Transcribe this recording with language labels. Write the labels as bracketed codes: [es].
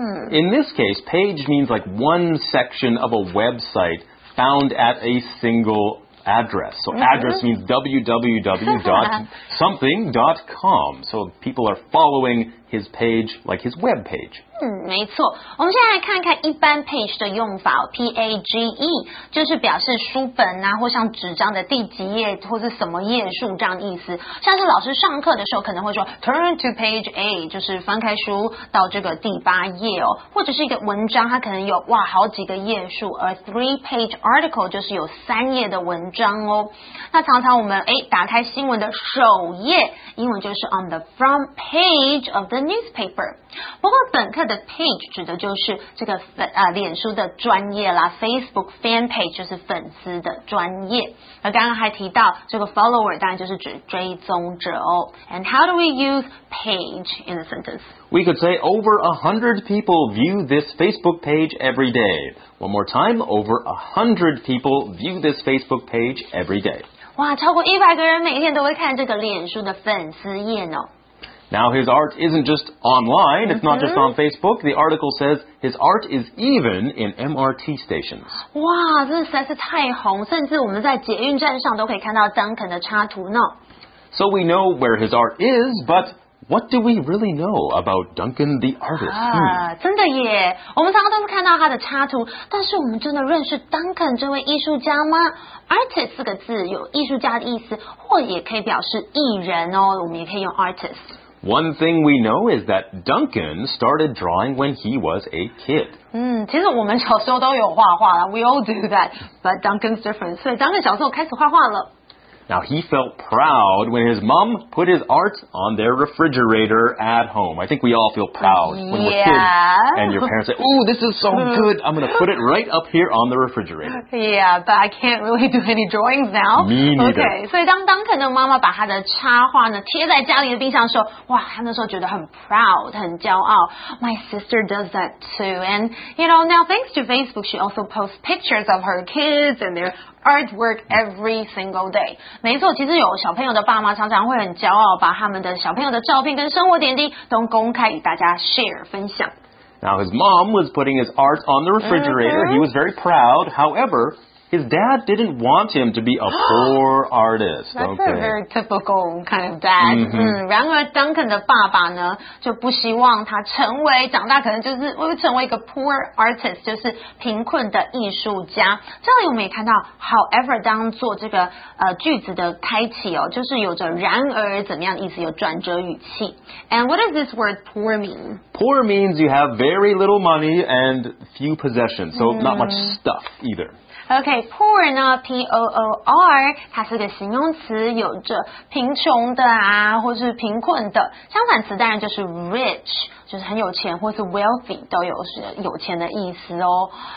[en] In this case, page means like one section of a website found at a single address. So address means www.something.com. So people are following his page like his web page. [zh] 没错。我们现在来看看一般 page 的用法 ,page, 就是表示书本啊或像纸张的第几页或是什么页数这样的意思。像是老师上课的时候可能会说 [en] turn to page A, [zh] 就是翻开书到这个第八页哦。或者是一个文章它可能有哇好几个页数而 [en] three page article [zh] 就是有三页的文章哦。那常常我们打开新闻的首页英文就是 [en] on the front page of the newspaper. [zh] 不过本课的 page 指的就是这个脸书的专业啦 Facebook fan page 就是粉丝的专业。而刚刚还提到这个 follower 当然就是指追踪者哦。 [en] And how do we use page in a sentence? We could say over 100 people view this Facebook page every day. One more time, over 100 people view this Facebook page every day. [zh] 哇超过100个人每天都会看这个脸书的粉丝页哦。 [en] Now his art isn't just online, it's not just on Facebook. The article says his art is even in MRT stations. [zh] 哇，这实在是太红，甚至我们在捷运站上都可以看到 Duncan 的插图呢。 [en] So we know where his art is, but... What do we really know about Duncan the artist? [zh] 真的耶，我们常常都是看到他的插图，但是我们真的认识 Duncan 这位艺术家吗？ Artist 这个字有艺术家的意思，或也可以表示艺人哦，我们也可以用 artist。 [en] One thing we know is that Duncan started drawing when he was a kid. [zh] 其实我们小时候都有画画啦 [en] we all do that, but Duncan's different. [zh] 所以 Duncan 小时候开始画画了。 [en] Now, he felt proud when his mom put his art on their refrigerator at home. I think we all feel proud when we're kids and your parents say, "Ooh, this is so good. I'm going to put it right up here on the refrigerator." Yeah, but I can't really do any drawings now. Me neither. [zh] Okay, 所以当 Duncan 的妈妈把他的插画呢贴在家里的冰箱的时候，哇，他那时候觉得很 proud, 很骄傲。 [en] My sister does that too. And, you know, now thanks to Facebook, she also posts pictures of her kids and their artwork every single day. [zh] 没错，其实有小朋友的爸妈常常会很骄傲，把他们的小朋友的照片跟生活点滴都公开与大家 share 分享。 [en] Now his mom was putting his art on the refrigerator. He was very proud. However, his dad didn't want him to be a poor artist. That's a very typical kind of dad. Mm-hmm. [zh] 然而 Duncan 的爸爸呢，就不希望他成为长大可能就是会成为一个 [en] poor artist, [zh] 就是贫困的艺术家。这里我们也看到 however 当做这个句子的开启哦，就是有着然而怎么样意思，有转折语气。 [en] And what does this word poor mean? Poor means you have very little money and few possessions, so not much stuff either. [zh] Okay, poor 呢 P-O-O-R, 它是个形容词，有着贫穷的啊，或是贫困的。相反词当然就是 rich, 就是很有钱，或是 wealthy, 都有是有钱的意思哦。